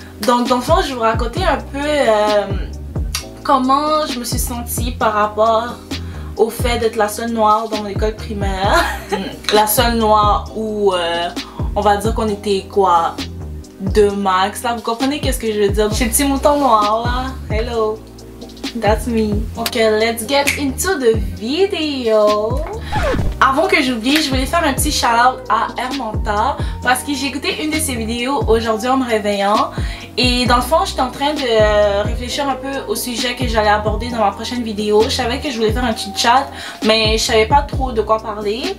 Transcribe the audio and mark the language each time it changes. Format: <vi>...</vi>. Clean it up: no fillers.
<fr>Donc, dans le fond, je vais vous raconter un peu comment je me suis sentie par rapport au fait d'être la seule noire dans mon école primaire. La seule noire où on va dire qu'on était quoi, deux max là, vous comprenez qu'est-ce que je veux dire? Chez le petit mouton noir là,</fr> <en>hello, that's me. Ok, let's get into the video.</en> <fr>Avant que j'oublie, je voulais faire un petit shout out à Hermanta parce que j'ai écouté une de ses vidéos aujourd'hui en me réveillant. Et dans le fond, j'étais en train de réfléchir un peu au sujet que j'allais aborder dans ma prochaine vidéo. Je savais que je voulais faire un petit chat, mais je savais pas trop de quoi parler.</fr>